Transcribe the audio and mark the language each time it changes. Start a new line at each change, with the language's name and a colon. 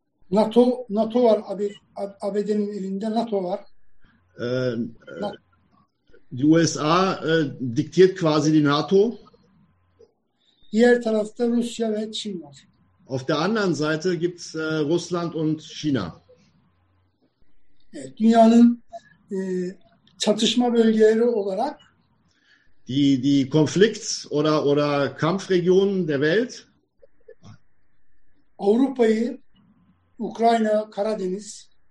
Turkish: NATO var ABD'nin elinde, NATO var.
German: Die USA diktiert quasi die NATO.
Turkish: Diğer tarafta Rusya ve Çin var.
German: Auf der anderen Seite gibt's Russland und China.
Turkish: Dünyanın çatışma bölgeleri olarak
German: die Konflikt oder Kampfregionen der Welt.
Turkish: Avrupa'yı, Ukrayna, Karadeniz.